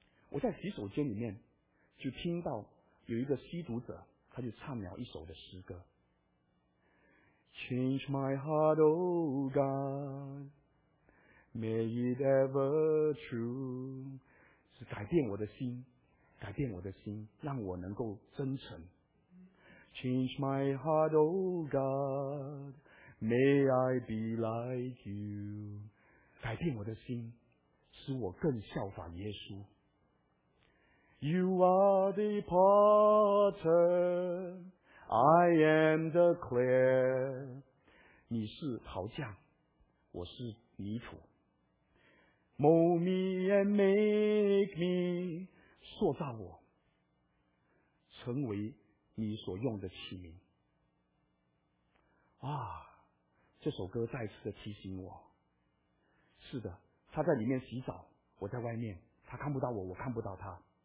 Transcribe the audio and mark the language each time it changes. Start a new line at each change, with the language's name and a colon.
Chinese: 我在洗手间里面就听到有一个吸毒者，他就唱了一首的诗歌，
English: Change my heart, oh God, may it ever true，
Chinese: 是改变我的心，改变我的心，让我能够真诚。
English: Change my heart, oh God, may I be like you，
Chinese: 改变我的心，使我更效法耶稣。
English: You are the potter, I am the clay.
Chinese: 你是陶匠，我是泥土。
English: Mold me and make me,
Chinese: 塑造我，成为你所用的器皿。啊，这首歌再次的提醒我。是的，他在里面洗澡，我在外面，他看不到我，我看不到他。